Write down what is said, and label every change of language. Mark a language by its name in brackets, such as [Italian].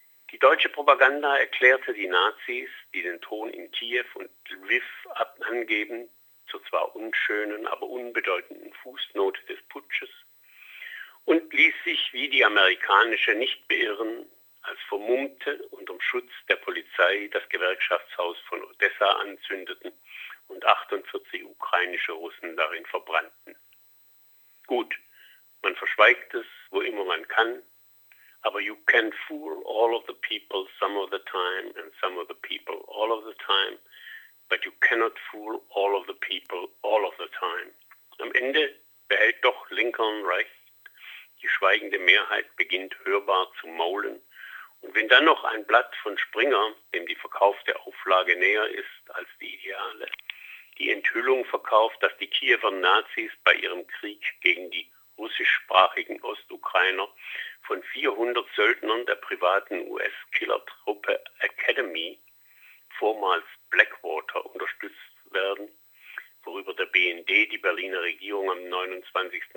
[German] Die deutsche Propaganda erklärte die Nazis, die den Ton in Kiew und Lviv angeben, zur zwar unschönen, aber unbedeutenden Fußnote des Putsches, und ließ sich wie die amerikanische nicht beirren, als Vermummte unterm Schutz der Polizei das Gewerkschaftshaus von Odessa anzündeten und 48 ukrainische Russen darin verbrannten. Gut, man verschweigt es, wo immer man kann, aber [English] you can fool all of the people some of the time and some of the people all of the time, but you cannot fool all of the people all of the time. [German] Am Ende behält doch Lincoln recht. Die schweigende Mehrheit beginnt hörbar zu maulen. Und wenn dann noch ein Blatt von Springer, dem die verkaufte Auflage näher ist als die ideale, die Enthüllung verkauft, dass die Kiewer Nazis bei ihrem Krieg gegen die russischsprachigen Ostukrainer von 400 Söldnern der privaten US-Killertruppe Academy, vormals Blackwater, unterstützt werden, worüber der BND die Berliner Regierung am 29.